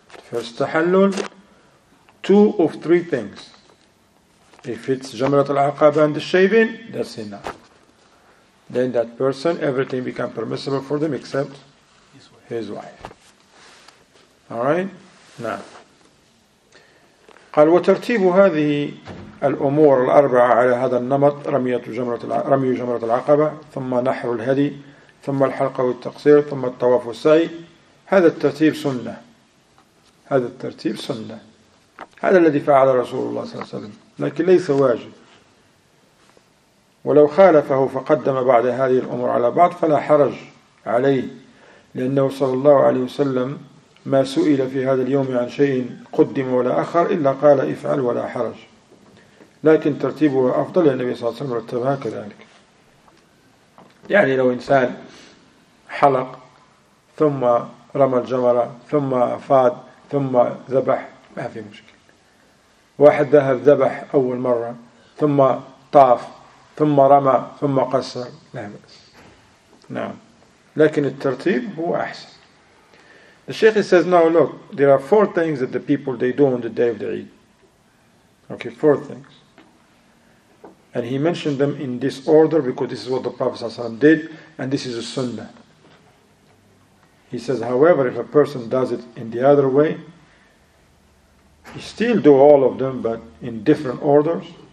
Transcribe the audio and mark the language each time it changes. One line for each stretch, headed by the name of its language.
English: First tahallul, two of three things. If it's Jamrat al-Aqaba and the shaving, that's enough. Then that person, everything becomes permissible for them except his wife. Alright? Now.
Arabic: قال وترتيب هذه الأمور الأربعة على هذا النمط رمي جمرة العقبة ثم نحر الهدي ثم الحلقة والتقصير ثم الطواف والسعي هذا الترتيب سنة هذا الترتيب سنة هذا الذي فعل رسول الله صلى الله عليه وسلم لكن ليس واجب ولو خالفه فقدم بعد هذه الأمور على بعض فلا حرج عليه لأنه صلى الله عليه وسلم ما سئل في هذا اليوم عن شيء قدم ولا أخر إلا قال افعل ولا حرج لكن ترتيبه أفضل للنبي صلى الله عليه وسلم رتبها كذلك يعني لو إنسان حلق ثم رمى الجمرة ثم فاد ثم ذبح ما في مشكلة واحد ذهب ذبح أول مرة ثم طاف ثم رمى ثم قصر لا بأس نعم لكن الترتيب هو أحسن.
English: The Sheikh says, now look, there are four things that the people they do on the day of the Eid. Okay, four things. And he mentioned them in this order because this is what the Prophet ﷺ did and this is a sunnah. He says, however, if a person does it in the other way, he still do all of them, but in different orders.